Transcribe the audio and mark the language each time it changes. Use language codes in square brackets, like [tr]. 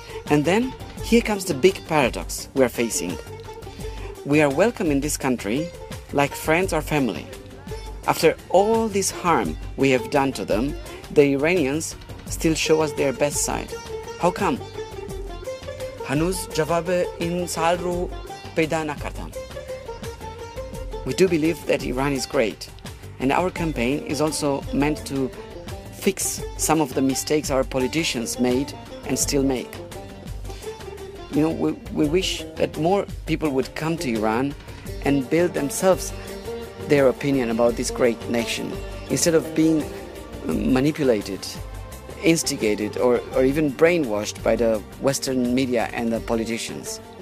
[en] And then here comes the big paradox we are facing. We are welcome in this country like friends or family. After all this harm we have done to them, the Iranians still show us their best side. How come? [fa] هنوز جواب این سوال رو پیدا نکردم. [en] We do believe that Iran is great, and our campaign is also meant to fix some of the mistakes our politicians made and still make. You know, we wish that more people would come to Iran and build themselves their opinion about this great nation, instead of being manipulated, instigated, or even brainwashed by the Western media and the politicians.